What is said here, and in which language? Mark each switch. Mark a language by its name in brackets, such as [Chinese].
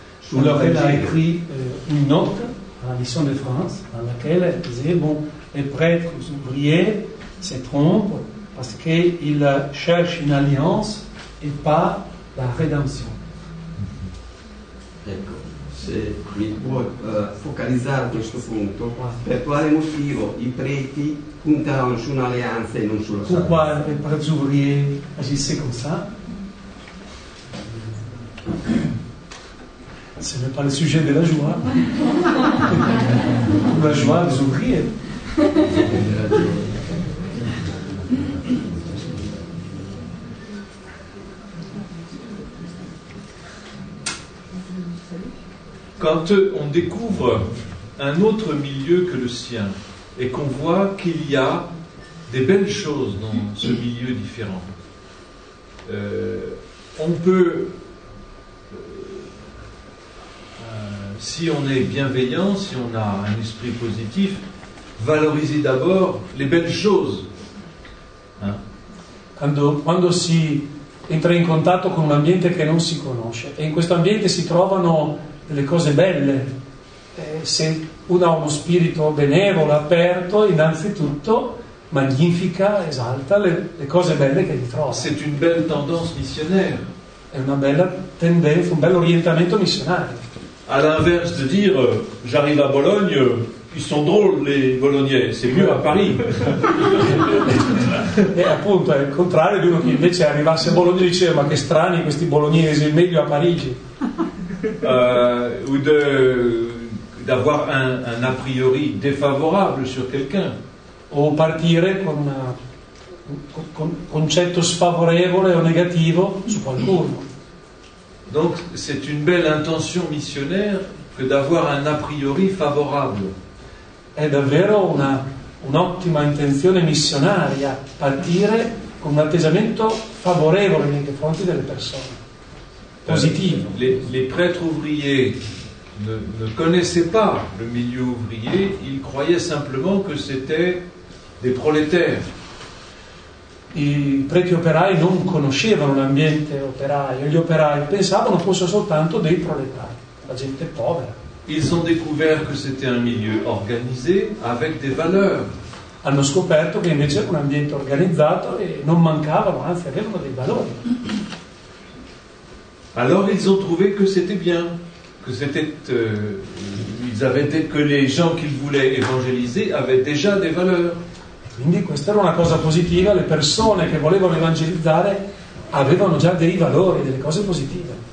[French] On leur a écrit une note à la Mission de France dans laquelle elle disait bon, les prêtres ouvriers se trompent parce qu'ils cherchent une alliance et pas la rédemption. [Italian] Ecco, se mi puoi focalizzare questo punto, per quale motivo i preti puntavano su un'alleanza e non sulla salvezza? [French] Pourquoi les prêtres ouvriers agissaient comme ça? Ce n'est pas le sujet de la joie. La joie des ouvriers. Quand on découvre un autre milieu que le sien et qu'on voit qu'il y a des belles choses dans ce milieu différent, on peut. Si on est bienveillant, si on a un esprit positif, valoriser d'abord les belles choses. Hein? [Italian] Quando si entra in contatto con un ambiente che non si conosce, e in questo ambiente si trovano delle cose belle, se uno ha uno spirito benevolo, aperto, innanzitutto magnifica, esalta le cose belle che gli trova. [French] C'est une belle tendance missionnaire. [Italian] È una bella tendenza, un bel orientamento missionario. [French] À l'inverse de dire j'arrive à Bologne, ils sont drôles les bolognais, c'est mieux à Paris. [Italian] Et appunto, è il contrario di uno che invece arrivasse a Bologna e diceva ma che strani questi bolognesi, è meglio a Parigi. [French] Ou d'avoir un a priori défavorable sur quelqu'un. [Italian] O partire con un concetto sfavorevole o negativo su qualcuno. [French] Donc c'est une belle intention missionnaire que d'avoir un a priori favorable. [Italian] È davvero un'ottima intenzione missionaria partire con un atteggiamento favorevole nei confronti delle persone. Positivo. [French] Les prêtres ouvriers ne connaissaient pas le milieu ouvrier, ils croyaient simplement que c'était des prolétaires. [Italian] I preti operai non conoscevano l'ambiente operaio, gli operai pensavano fosse soltanto dei proletari, la gente povera. [French] Ils ont découvert que c'était un milieu organisé avec des valeurs. [Italian] hanno scoperto che invece era un ambiente organizzato e non mancavano, anzi avevano dei valori. [French] Allora, ils ont trouvé que c'était bien, que c'était ils avaient que les gens qu'ils voulaient évangéliser avaient déjà des valeurs. [Italian] Quindi questa era una cosa positiva, le persone che volevano evangelizzare avevano già dei valori, delle cose positive.